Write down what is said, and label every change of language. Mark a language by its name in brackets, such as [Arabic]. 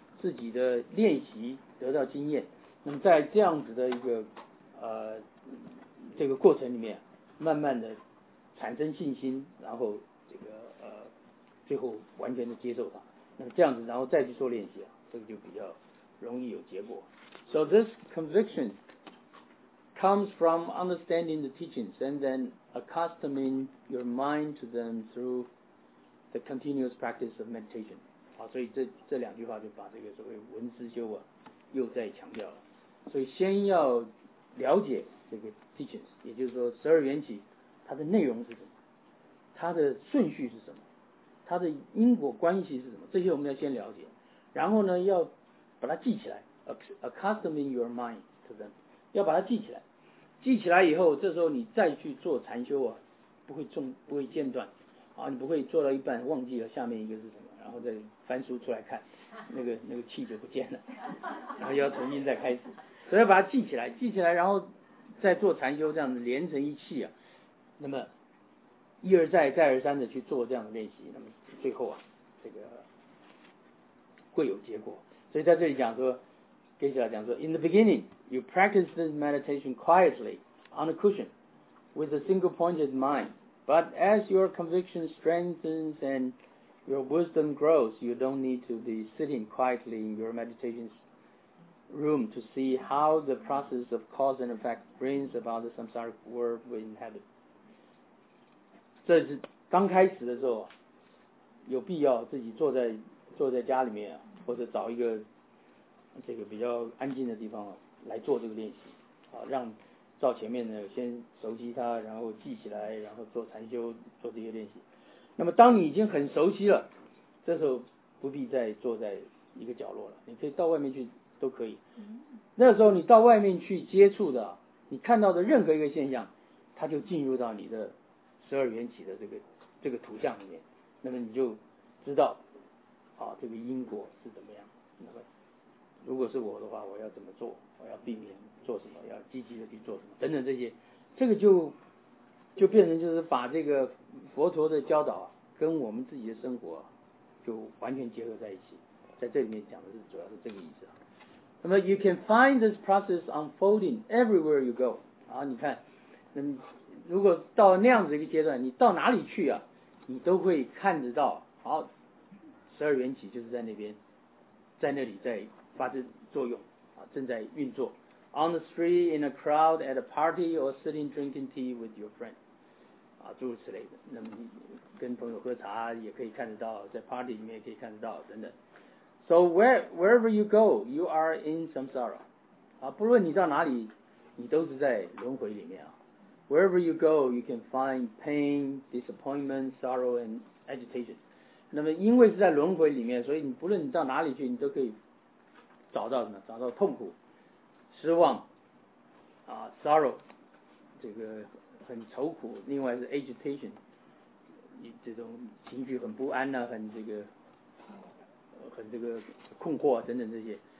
[Chinese] 自己的练习得到经验，那么在这样子的一个这个过程里面，慢慢的产生信心，然后这个最后完全的接受它，那么这样子然后再去做练习啊，这个就比较容易有结果。 [English] So this conviction comes from understanding the teachings and then accustoming your mind to them through the continuous practice of meditation。 [Chinese] 好，所以这两句话就把这个所谓闻思修啊又再强调了。所以先要了解这个 teachings， 也就是说十二缘起它的内容是什么，它的顺序是什么，它的因果关系是什么，这些我们要先了解。然后呢要把它记起来， [English] accustoming your mind to them， [Chinese] 要把它记起来，记起来以后这时候你再去做禅修啊，不会间断啊，你不会做到一半忘记了下面一个是什么，然后再翻书出来看，那个气就不见了，然后要重新再开始，所以要把它记起来，记起来，然后再做禅修，这样子连成一气啊。那么一而再，再而三的去做这样的练习，那么最后啊，这个会有结果。所以在这里讲说，给起来讲说 [English] ，In the beginning, you practice this meditation quietly on a cushion with a single-pointed mind, but as your conviction strengthens andyour wisdom grows, you don't need to be sitting quietly in your meditation room to see how the process of cause and effect brings about the samsaric world we inhabit. [Chinese] 这是刚开始的时候，有必要自己坐在家里面，或者找一个这个比较安静的地方来做这个练习，让照前面的先熟悉它，然后记起来，然后做禅修，做这些练习。那么当你已经很熟悉了，这时候不必再坐在一个角落了，你可以到外面去都可以。那时候你到外面去接触的，你看到的任何一个现象，它就进入到你的十二缘起的这个图像里面，那么你就知道啊这个因果是怎么样。那么如果是我的话，我要怎么做，我要避免做什么，要积极的去做什么等等，这些这个就变成就是把这个佛陀的教导、啊、跟我们自己的生活、啊、就完全结合在一起，在这里面讲的是主要是这个意思、啊、那么 [English] you can find this process unfolding everywhere you go. [Chinese] 好，你看，如果到那样子一个阶段，你到哪里去啊，你都会看得到。好，十二缘起就是在那边，在那里在发生作用，正在运作。 [English] On the street, in a crowd, at a party, or sitting drinking tea with your friend. [Chinese] 啊，诸如此类的。那么你跟朋友喝茶也可以看得到，在 party 里面也可以看得到，等等。 [English] So wherever you go, you are in samsara. [Chinese] 啊，不论你到哪里，你都是在轮回里面啊。 [English] Wherever you go, you can find pain, disappointment, sorrow, and agitation. [Chinese] 那么因为是在轮回里面，所以你不论你到哪里去，你都可以找到什么？找到痛苦、失望、啊、sorrow, 这个很愁苦。另外是 agitation, 你这种情绪很不安啊，很这个困惑啊，等等这些。